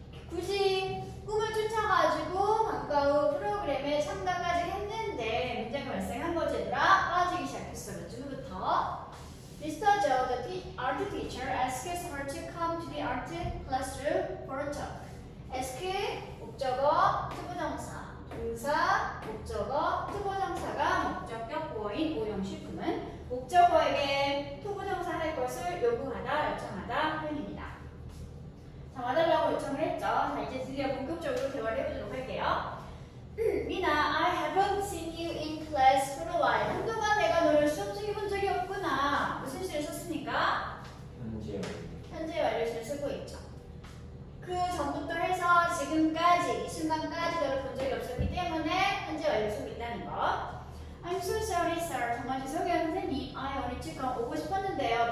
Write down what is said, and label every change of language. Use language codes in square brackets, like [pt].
[ko] 굳이 꿈을 쫓아가지고 가까운 프로그램에 참가까지 했는데 문제가 발생한 거지. 떨어지기 시작했어. 몇 주부터. Mr. [en] Joe, the art teacher, asks her to come to the art classroom for a talk. [ko] Ask 목적어 투부정사. 동사 목적어 투부정사가 목적격 보어인 오형식품은 목적어에게 투부정사 할 것을 요구하다, 요청하다 표현입니다. 자, 와달라고 요청을 했죠. 자, 이제 드디어 본격적으로 대화를 해보도록 할게요. [en] Mina, I haven't seen you in class for a while. [ko] 한동안 내가 너를 수업 중에 본 적이 없구나. 무슨 시를 썼습니까? 현재 완료. 현재 완료 시를 쓰고 있죠. 그 전부터 해서 지금까지, 이 순간까지 너를 본 적이 없었기 때문에 현재 완료 시가 있다는 것. [en] I'm so sorry, sir. [ko] 정말 죄송해요, 선생님. [en] I wanted to come [ko] 오고 싶었는데요.